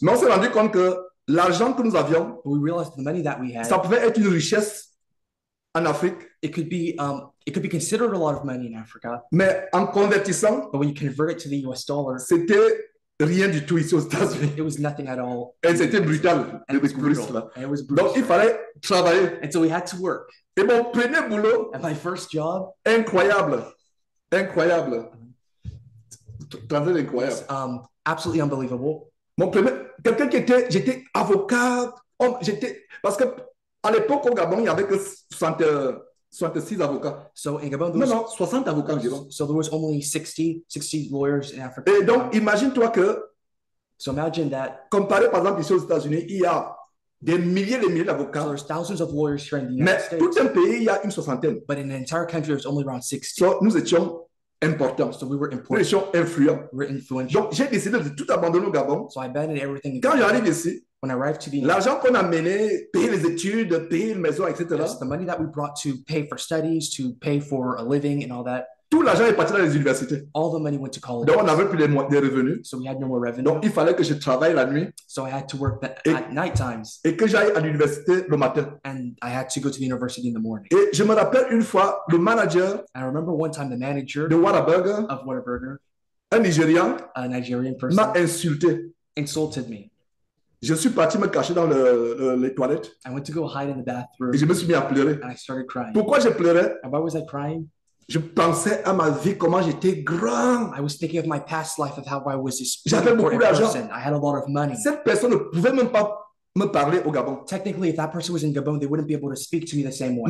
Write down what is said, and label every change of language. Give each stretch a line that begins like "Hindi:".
French: Mais on s'est rendu compte que l'argent que nous avions,
English: we realized the money that we had,
French: ça pouvait être une richesse en Afrique.
English: It could be considered a lot of money in Africa.
French: Mais en convertissant,
English: but when you convert it to the US dollar,
French: c'était rien du tout ici aux États-Unis.
English: It was nothing at all.
French: Et c'était brutal.
English: It was brutal.
French: Donc il fallait travailler.
English: And so we had to work.
French: Et mon premier boulot,
English: and my first job,
French: incroyable. Incroyable.
English: Absolutely unbelievable.
French: Mon premier, quelqu'un qui était, j'étais avocat, parce que à l'époque au Gabon, il y avait que 66 avocats.
English: So in Gabon, there was,
French: non, 60 avocats environ.
English: So there was only 60 lawyers in Africa.
French: Et donc, imagine-toi que,
English: so imagine that,
French: comparé par exemple ici aux États-Unis, il y a des milliers et des milliers d'avocats.
English: So there's thousands of lawyers here in the United
French: mais
English: States.
French: Tout un pays, il y a une soixantaine.
English: But in an entire country, there's only around 60.
French: So nous étions important.
English: So we were important.
French: Nous étions influents.
English: We were influential.
French: Donc, j'ai décidé de tout abandonner au Gabon.
English: So I abandoned everything.
French: Quand j'arrive ici,
English: when I arrived to the
French: l'argent qu'on a mené, payer les études, payer les maisons, etc.
English: Yes, the money that we brought to pay for studies, to pay for a living and all that.
French: Tout l'argent est parti dans les universités.
English: All the money went to college.
French: Donc, on n'avait plus de revenus.
English: So we had no more revenue.
French: Donc, il fallait que je travaille la nuit.
English: So I had to work at night times.
French: Et que j'aille à l'université le matin.
English: And I had to go to the university in the morning.
French: Et je me rappelle une fois, le manager,
English: I remember one time the manager
French: de Whataburger,
English: of Whataburger, a Nigerian person,
French: m'a insulté.
English: Insulted me.
French: Je suis parti me cacher dans les toilettes.
English: I went to go hide in the bathroom.
French: Et je me suis mis à pleurer.
English: And I started crying.
French: Pourquoi je pleurais?
English: And why was I crying?
French: Je pensais à ma vie, comment j'étais grand.
English: I was thinking of my past life, of how I was this person. I had a lot of money.
French: Cette personne ne pouvait même pas me parler au Gabon.
English: Technically, if that person was in Gabon, they wouldn't be able to speak to me the same way.